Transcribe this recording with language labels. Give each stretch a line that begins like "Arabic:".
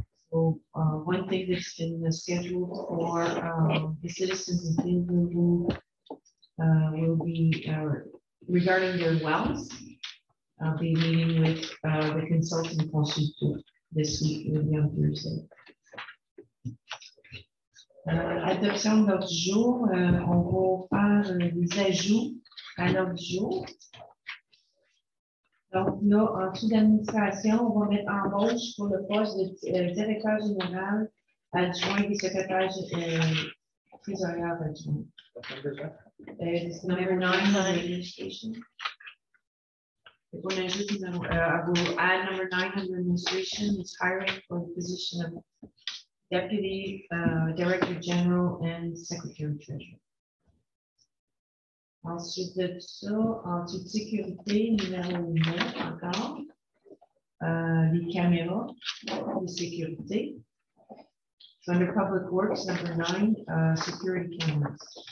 English: So, one thing that's been scheduled for the citizens in Tinglewood will be regarding their wells. I'll be meeting with the consultant consultant this week, maybe on Thursday.
French: Adoption d'ordre du jour, on va faire des ajouts à l'ordre du jour. Donc là, en dessous d'administration, on va mettre en vote pour le poste de directeur général adjoint et secrétaire trésorier adjoint.
English: Number 9 on administration.
French: On ajoute
English: number 9 on administration. It's hiring for the position of deputy director general and secretary treasurer.
French: Ensuite de ça, en toute sécurité, numéro 9 encore, les caméras de sécurité.
English: So under Public Works, number 9, security cameras.